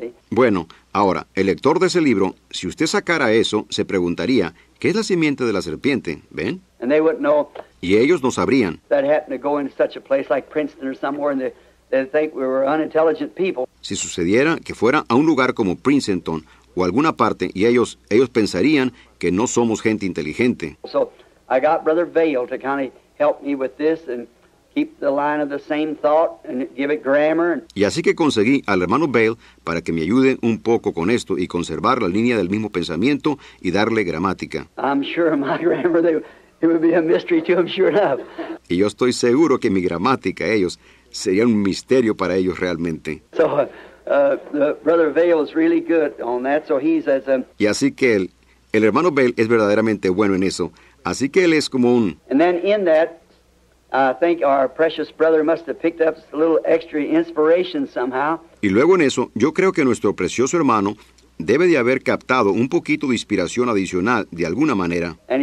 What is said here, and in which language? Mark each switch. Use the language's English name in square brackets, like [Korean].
[Spanish] Bueno, ahora, el lector de ese libro, si usted sacara eso, se preguntaría, ¿qué es la simiente de la serpiente, ven? [English] And they wouldn't know. [Spanish] Y ellos no sabrían. [English] That happened to go into such a place like Princeton or somewhere in the... They think we were unintelligent people. [Spanish] Si sucediera que fuera a un lugar como Princeton o alguna parte y ellos pensarían que no somos gente inteligente. [English] So I got Brother Vail to kind of help me with this and keep the line of the same thought and give it grammar. [Spanish] Y así que conseguí al hermano Vail para que me ayude un poco con esto y conservar la línea del mismo pensamiento y darle gramática. [English] I'm sure my grammar it would be a mystery to them, sure enough. [Spanish] Y yo estoy seguro que mi gramática ellos sería un misterio para ellos realmente. [English] So, Brother Vail is really good on that, so he says. [Spanish] Y así que el hermano Vail es verdaderamente bueno en eso. Así que él es como un. [English] And then in that, I think our precious brother must have picked up a little extra inspiration somehow. [Spanish] Y luego en eso, yo creo que nuestro precioso hermano debe de haber captado un poquito de inspiración adicional de alguna manera.